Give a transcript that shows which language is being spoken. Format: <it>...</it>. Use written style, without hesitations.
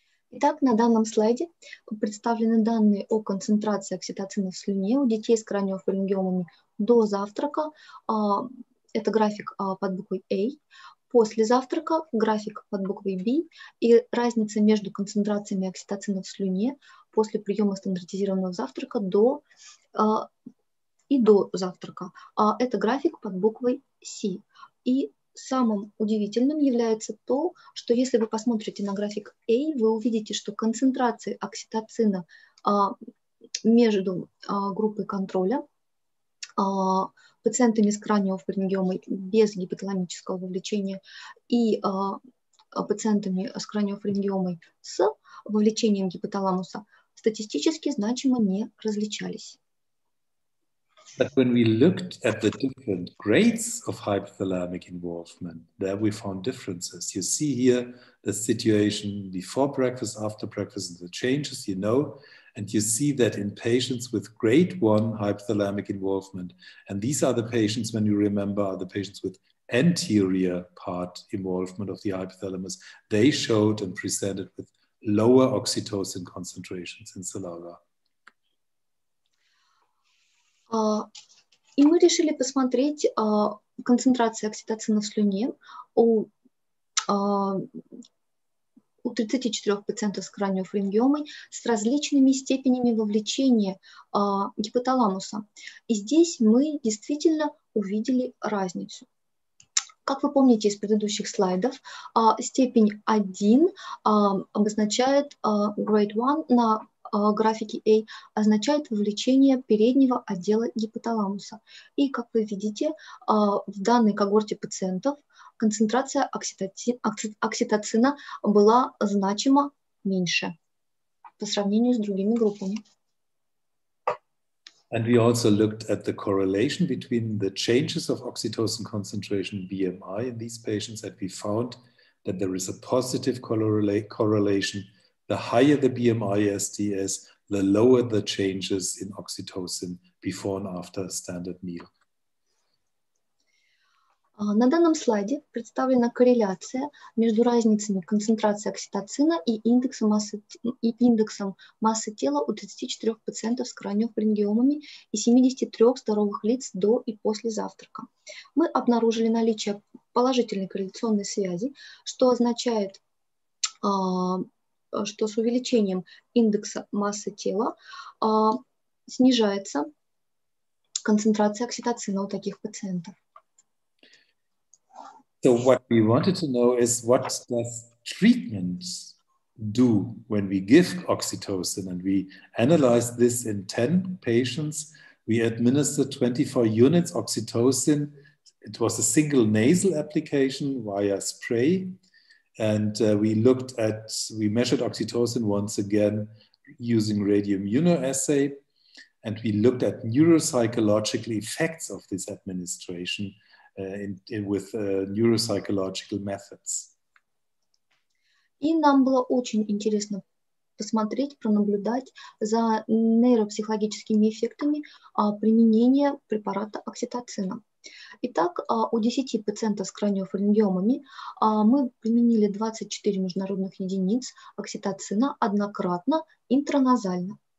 <ru>Итак, на данном слайде представлены данные о концентрации окситоцина в слюне у детей с краниофарингиомами до завтрака. Это график под буквой A, после завтрака график под буквой B, и разница между концентрациями окситоцина в слюне после приема стандартизированного завтрака до завтрака. Это график под буквой C. И самым удивительным является то, что если вы посмотрите на график A, вы увидите, что концентрации окситоцина между группой контроля пациентами с краниофарингиомой без гипоталамического вовлечения и пациентами с краниофарингиомой с вовлечением гипоталамуса статистически значимо не различались.</ru> <en>But when we looked at the different grades of hypothalamic involvement, there we found differences. You see here the situation before breakfast, after breakfast, the changes, you know. And you see that in patients with grade 1 hypothalamic involvement, and these are the patients, when you remember, are the patients with anterior part involvement of the hypothalamus, they showed and presented with lower oxytocin concentrations in saliva.</en> <ru>И мы решили посмотреть концентрацию окситоцина в слюне у 34 пациентов с краниофарингиомой с различными степенями вовлечения гипоталамуса. И здесь мы действительно увидели разницу. Как вы помните из предыдущих слайдов, степень 1 обозначает</ru> <en>grade 1</en> <ru>на графике A означает вовлечение переднего отдела гипоталамуса. И, как вы видите, в данной когорте пациентов концентрация окситоцина была значимо меньше по сравнению с другими группами.</ru> <en>And we also looked at the correlation between the changes of oxytocin concentration BMI in these patients, and we found that there is a positive correlation. The higher the BMI SDS, the lower the changes in oxytocin before and after a standard meal.</en> <ru>На данном слайде представлена корреляция между разницами концентрации окситоцина и индексом массы тела у 34 пациентов с краниофарингиомами и 73 здоровых лиц до и после завтрака. Мы обнаружили наличие положительной корреляционной связи, что означает, что с увеличением индекса массы тела снижается концентрация окситоцина у таких пациентов.</ru> <en>So what we wanted to know is what does treatments do when we give oxytocin, and we analyzed this in 10 patients. We administered 24 units oxytocin. It was a single nasal application via spray, and we measured oxytocin once again using radioimmunoassay, and we looked at neuropsychological effects of this administration. Neuropsychological methods.</en> <ru>И нам было очень интересно посмотреть, пронаблюдать за нейропсихологическими эффектами применения препарата окситоцина. Итак, у 10 пациентов с краниофарингиомами мы применили 24 международных единиц окситоцина однократно интраназально.</ru>